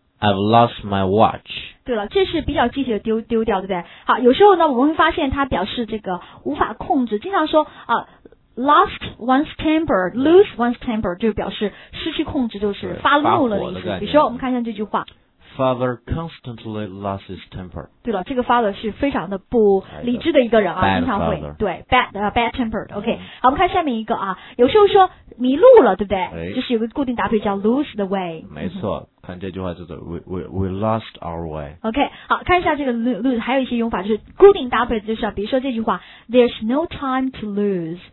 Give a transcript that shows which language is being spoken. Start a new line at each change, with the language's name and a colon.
English: I've lost my watch。
Chinese: 对了，这是比较具体的丢掉，对不对？好，有时候呢我们会发现它表示这个无法控制，经常说lost one's temper， lose one's temper 就表示失去控制，就是发怒了的意思。比如说我们看一下这句话，
English: Father constantly lost his temper。
Chinese: 对了，这个 father 是非常的不理智的一个人啊，经常会对 bad tempered。 OK， 好，我们看下面一个啊，有时候说迷路了，对不对？就是有个固定搭配叫 lose the way。没错，看这句话叫做
English: we lost our way。
Chinese: OK， 好，看一下这个 lose 还有一些用法，就是固定搭配，就是比如说这句话
English: there's no time to lose、